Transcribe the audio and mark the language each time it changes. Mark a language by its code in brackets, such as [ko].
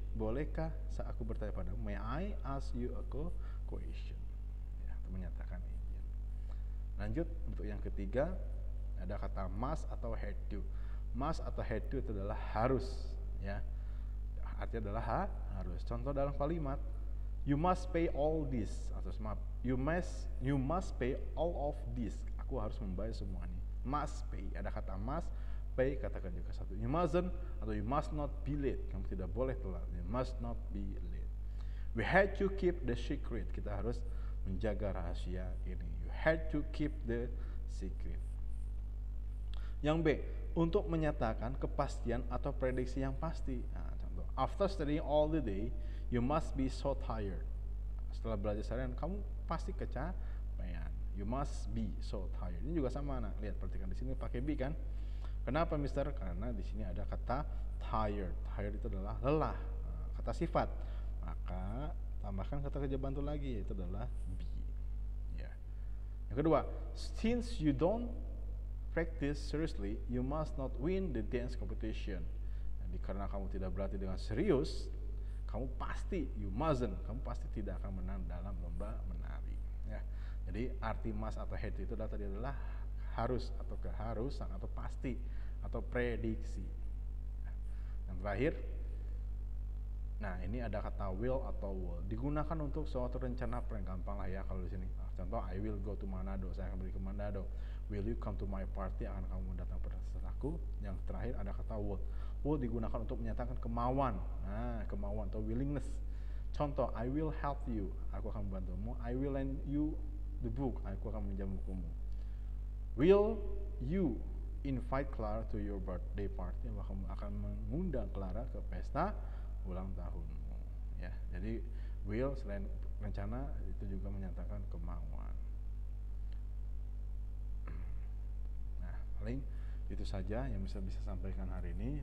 [id] Bolehkah saat aku bertanya padamu? [en] May I ask you a question? [id] Ya, itu menyatakan izin. Lanjut, untuk yang ketiga, ada kata must atau had to. Must atau had to itu adalah harus, ya. Artinya adalah harus. Contoh dalam kalimat, [en] you must pay all this. [id] Atau maaf, [en] you must pay all of this. [id] Aku harus membayar semua ini. [en] Must pay. [id] Ada kata [en] must, pay [id] katakan juga satu. [en] You mustn't [id] atau [en] you must not be late. [id] Kamu tidak boleh telat. [en] You must not be late. We had to keep the secret. [id] Kita harus menjaga rahasia ini. [en] You had to keep the secret. [id] Yang B, untuk menyatakan kepastian atau prediksi yang pasti. Nah, contoh, [en] after studying all the day, you must be so tired. [id] Setelah belajar seharian, kamu pasti kecapean. [en] You must be so tired. [id] Ini juga sama. Nah, lihat, perhatikan di sini pakai be kan? Kenapa, Mister? Karena di sini ada kata tired. Tired itu adalah lelah. Nah, kata sifat. Maka tambahkan kata kerja bantu lagi, yaitu adalah be. Yeah. [en] Yang kedua, since you don't practice seriously, you must not win the dance competition. [id] Jadi karena kamu tidak berlatih dengan serius, kamu pasti, [en] you mustn't, [id] kamu pasti tidak akan menang dalam lomba menari. Ya. Jadi arti must atau had to itu tadi adalah harus atau keharusan atau pasti atau prediksi. Yang terakhir, nah ini ada kata will atau would. Digunakan untuk suatu rencana, paling gampang lah ya kalau di sini. Contoh, [en] I will go to Manado, [id] saya akan pergi ke Manado. [en] Will you come to my party? [id] Akan kamu datang pada setelahku. Yang terakhir ada kata would. Would digunakan untuk menyatakan kemauan. Nah, kemauan atau willingness. Contoh, [en] I will help you. [id] Aku akan membantumu. [en] I will lend you the book. [id] Aku akan meminjam bukumu. [en] Will you invite Clara to your birthday party? [id] Kamu akan mengundang Clara ke pesta ulang tahunmu. Ya, jadi will selain rencana itu juga menyatakan kemauan. Paling itu saja yang bisa sampaikan hari ini.